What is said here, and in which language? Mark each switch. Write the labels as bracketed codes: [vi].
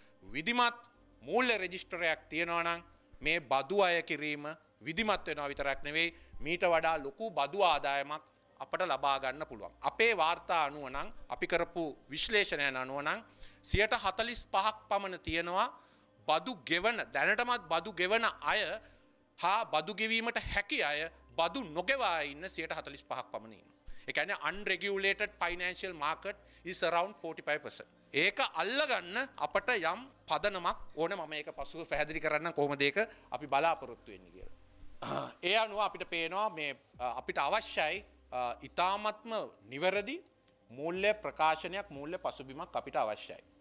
[si] විධිමත් මූල්‍ය රෙජිස්ටරයක් තියෙනවා නම් මේ බදු අය කිරීම විධිමත් වෙනවා විතරක් නෙවෙයි මීට වඩා ලොකු බදු ආදායමක් අපට ලබා ගන්න පුළුවන්. අපේ වාර්තා අනුව නම් අපි කරපු විශ්ලේෂණයන් අනුව නම් 145ක් පමණ තියෙනවා බදු ගෙවන දැනටමත් බදු ගෙවන අය හා බදු ගෙවීමට හැකි අය බදු නොගෙවා ඉන්න 145ක් පමණ ඉන්නවා. ඒ කියන්නේ [en] unregulated financial market is around 45%. [si] ඒක අල්ලගන්න අපට යම් පදනමක් ඕනේ මම ඒක පසුව පැහැදිලි කරන්න කොහොමද ඒක අපි බලාපොරොත්තු වෙන්නේ කියලා. ඒ අනුව අපිට පේනවා මේ අපිට අවශ්‍යයි ඉතාමත්ම නිවැරදි මූල්‍ය ප්‍රකාශනයක් මූල්‍ය පසුබිමක් අපිට අවශ්‍යයි.